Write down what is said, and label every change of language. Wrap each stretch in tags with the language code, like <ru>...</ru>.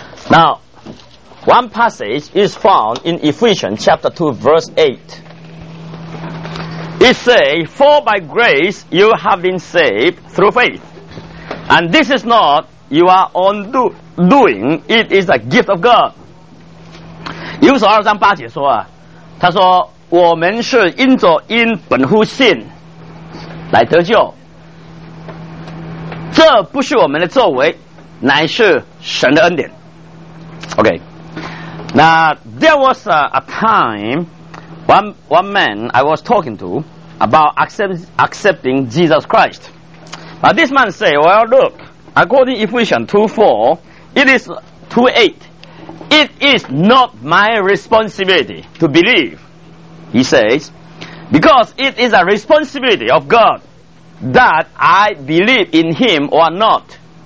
<en>Now, one passage is found in Ephesians chapter 2, verse 8. It says, "For by grace you have been saved through faith. And this is not your own doing, it is a gift of God."</en> <zh>因此二章八节说，他说， 我们是因着本乎信来得救， 这不是我们的作为， 乃是神的恩典。</zh> <en>Okay. Now, there was a time, one man I was talking to about accepting Jesus Christ. But this man said, well, look, according to Ephesians 2:4, it is 2:8, it is not my responsibility to believe, he says, because it is a responsibility of God that I believe in him or not.</en>